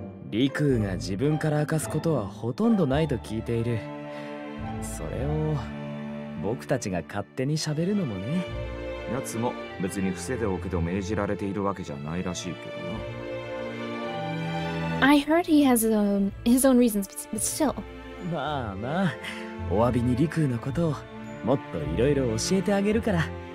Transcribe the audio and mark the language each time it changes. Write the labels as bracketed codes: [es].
[ja] リクーが自分から明かすことはほとんどないと聞いている。それを僕たちが勝手に喋るのもね。やつも別に伏せておくと命じられているわけじゃないらしいけどな。 [en] I heard he has his own reasons, but still. [ja] まあまあ、お詫びにリクーのことをもっといろいろ教えてあげるから。